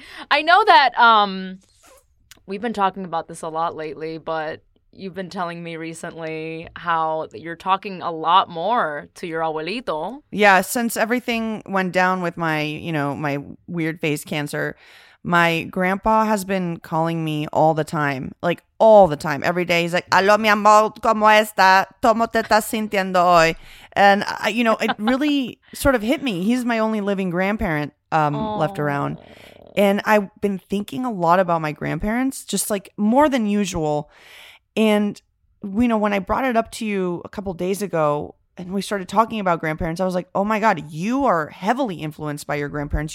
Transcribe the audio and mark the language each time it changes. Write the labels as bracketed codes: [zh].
[en] I know that we've been talking about this a lot lately, but you've been telling me recently how you're talking a lot more to your abuelito. Yeah, since everything went down with my, you know, my weird face cancer, my grandpa has been calling me all the time, like all the time, every day. He's like, [es] "Aló, mi amor, ¿cómo está? ¿Cómo te estás sintiendo hoy?" [en] And, you know, it really sort of hit me. He's my only living grandparent left around. And I've been thinking a lot about my grandparents, just like more than usual. And, you know, when I brought it up to you a couple days ago and we started talking about grandparents, I was like, oh, my God, you are heavily influenced by your grandparents.